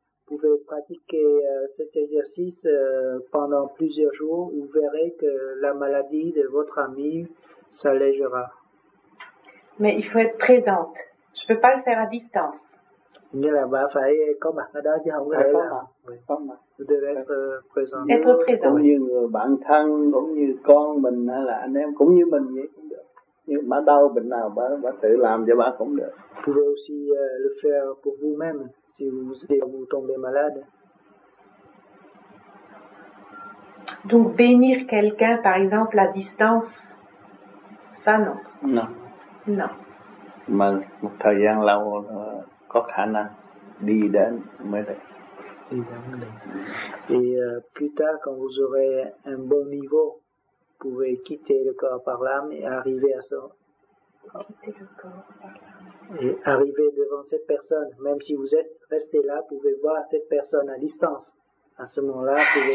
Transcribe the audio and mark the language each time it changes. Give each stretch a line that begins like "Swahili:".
French: Vous pouvez pratiquer cet exercice pendant plusieurs jours, vous verrez que la maladie de votre ami s'allégera. Mais il faut être présente. Je peux pas le faire à distance. Mais là, bah, faut être comme à Canada, il y a un vrai là. Vous devez être présent. Être présent.
Vietnamese: Cũng như người bạn thân, cũng như con mình hay là anh em, cũng như mình vậy cũng được. Nhưng mà đau bệnh nào bà tự làm cho bà cũng được.
French: Vous pouvez aussi le faire pour vous-même si vous tombez malade. Donc bénir quelqu'un, par exemple, à distance, ça non. Non. Non.
Vietnamese: Mà một thời gian lâu có khả năng đi đến mới được. Đi đến mới được.
French: Et plus tard, quand vous aurez un bon niveau, vous pouvez quitter le corps par l'âme et arriver à ça. Quitter le corps par l'âme. Et arriver devant cette personne, même si vous êtes resté là, vous pouvez voir cette personne à distance. À ce moment-là, vous pouvez...